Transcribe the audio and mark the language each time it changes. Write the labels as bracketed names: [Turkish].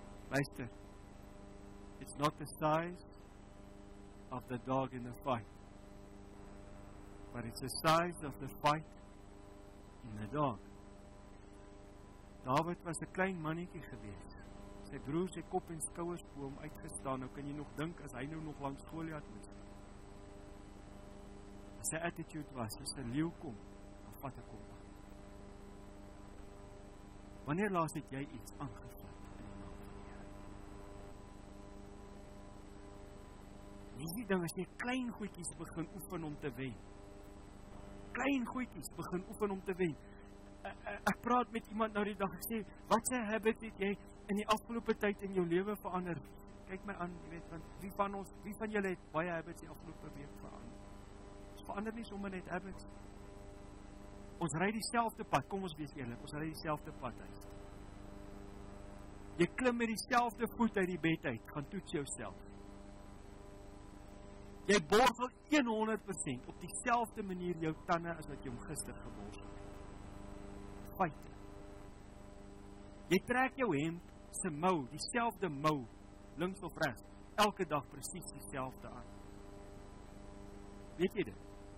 [English] Luister, it's not the size of the dog in the fight, but it's the size of the fight in the dog. [Afrikaans] David was 'n klein mannetjie gewees. Sy broers, sy kop en skouers bo hom uitgestaan, nou kan jy nog dink, as hy nou nog langs Goliat moet staan. Sy attitude was, as die leeu kom, dan vat ek hom aan. Wanneer laas het jy iets aangevat in die naam van die Here? Hierdie ding, as jy klein goedjies begin oefen om te wen, klein goedjies begin oefen om te wen, ek praat met iemand nou die dag, ek sê, wat sy habit het jy in die afgelope tyd in jou lewe verander? Kyk my aan, weet, want wie van julle het baie habits die afgelope week verander? Ons verander nie sommer net habits. Ons ry dieselfde pad, kom ons wees eerlik, ons ry dieselfde pad uit. Jy klim met dieselfde voet uit die bed uit, gaan toets jouself. Jy borsel 100% op dieselfde manier jou tande as wat jy hom gister geborsel. Jy trek jou hemd se mou, dieselfde mou, links of regs, elke dag presies dieselfde aan. Weet jy dit?